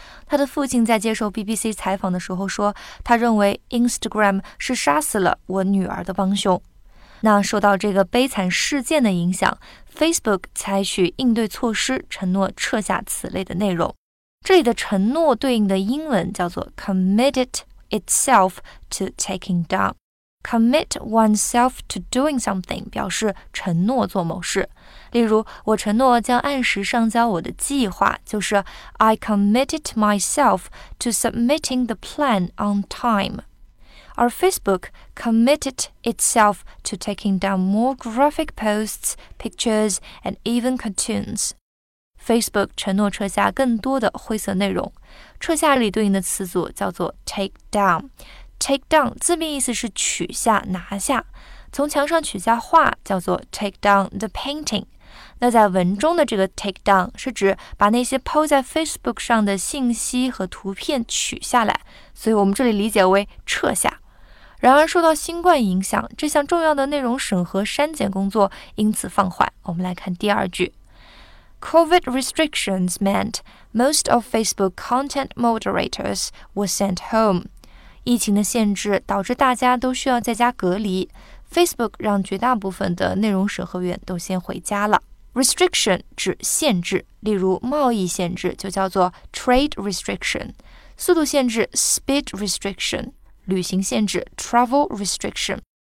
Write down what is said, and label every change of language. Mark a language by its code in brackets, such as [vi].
[zh] 她的父亲在接受 BBC 采访的时候说，他认为 Instagram 是杀死了我女儿的帮凶。那受到这个悲惨事件的影响， Facebook 采取应对措施，承诺撤下此类的内容。这里的承诺对应的英文叫做 [en] committed itself to taking down. Commit oneself to doing something [zh] 表示承诺做某事。例如，我承诺将按时上交我的计划，就是 [en] I committed myself to submitting the plan on time. Our Facebook committed itself to taking down more graphic posts, pictures, and even cartoons. [zh] Facebook 承诺撤下更多的灰色内容。撤下里对应的词组叫做 take down. Take down 字面意思是取下、拿下。从墙上取下画叫做 [en] take down the painting. [zh] 那在文中的这个 take down 是指把那些 po 在 Facebook 上的信息和图片取下来，所以我们这里理解为撤下。然而受到新冠影响，这项重要的内容审核删减工作因此放缓。我们来看第二句。 [en] COVID restrictions meant most of Facebook content moderators were sent home. [zh] 疫情的限制导致大家都需要在家隔离。 Facebook 让绝大部分的内容审核员都先回家了。 Restriction 指限制，例如贸易限制就叫做 trade restriction， 速度限制 speed restriction， 旅行限制 travel restriction。